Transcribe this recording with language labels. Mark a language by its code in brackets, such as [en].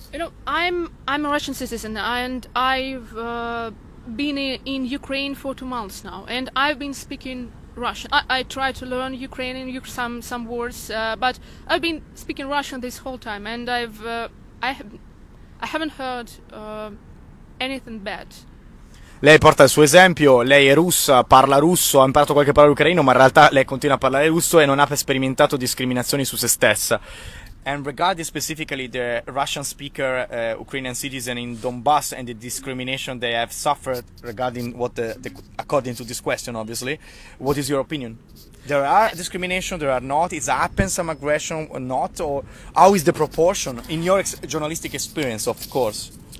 [en] You know, I'm a Russian citizen and I've been in Ukraine for 2 months now and I've been speaking Russian. I try to learn Ukrainian, some words, but I've been speaking Russian this whole time and I haven't heard anything bad. [it] Lei porta il suo esempio, lei è russa, parla russo, ha imparato qualche parola ucraino, ma in realtà lei continua a parlare russo e non ha sperimentato discriminazioni su se stessa. [en] And regarding specifically the Russian speaker Ukrainian citizen in Donbass and the discrimination they have suffered regarding what the according to this question, obviously, what is your opinion? There are discrimination, there are not, it happens some aggression or not, or how is the proportion in your journalistic experience, of course?